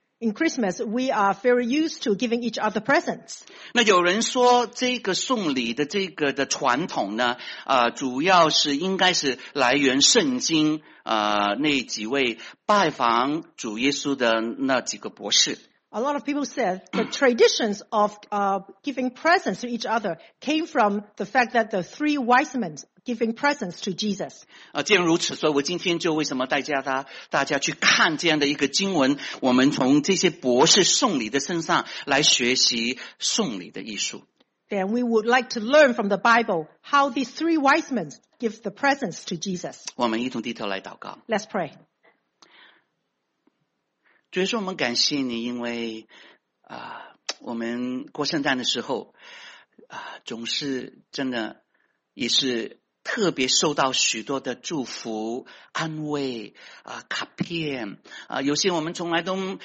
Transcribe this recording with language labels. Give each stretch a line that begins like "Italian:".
English: In Christmas, we are very used to giving each other presents.
Chinese: 那有人说这个送礼的这个的传统呢，主要是应该是来源圣经，那几位拜访主耶稣的那几个博士。
English: A lot of people said the traditions of giving presents to each other came from the fact that the three wise men giving presents to Jesus.
Chinese: 既然如此，所以我今天就为什么带大家去看这样的一个经文，我们从这些博士送礼的身上来学习送礼的艺术。
English: Then we would like to learn from the Bible how these three wise men give the presents to Jesus.
Chinese: 我们一同低头来祷告。
English: Let's pray.
Chinese: 主耶稣，我们感谢你，因为我们过圣诞的时候总是真的也是特别受到许多的祝福、安慰卡片有些我们从来都